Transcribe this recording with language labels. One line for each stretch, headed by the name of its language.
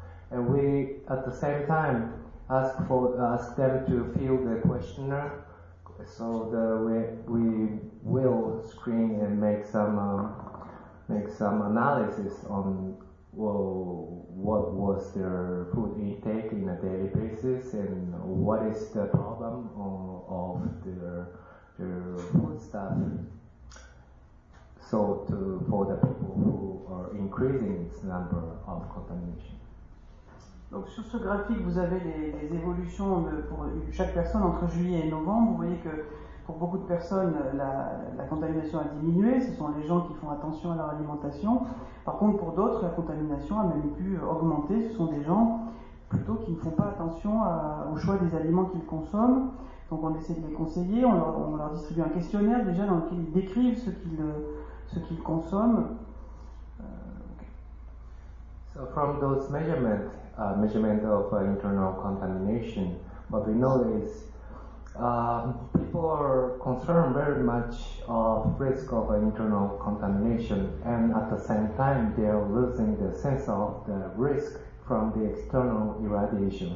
English: And we, at the same time, ask them to fill the questionnaire, so that we will screen and make some analysis on what was their food intake in a daily basis and what is the problem of their food stuff. So for the people who are increasing its number of contamination.
French: Donc sur ce graphique, vous avez les évolutions pour chaque personne entre juillet et novembre. Vous voyez que pour beaucoup de personnes, la contamination a diminué. Ce sont les gens qui font attention à leur alimentation. Par contre, pour d'autres, la contamination a même pu augmenter. Ce sont des gens plutôt qui ne font pas attention au choix des aliments qu'ils consomment. Donc on essaie de les conseiller. On leur distribue un questionnaire déjà dans lequel ils décrivent ce qu'ils consomment.
English: So from those measurements, measurement of internal contamination, what we know is people are concerned very much of risk of internal contamination, and at the same time they are losing the sense of the risk from the external irradiation.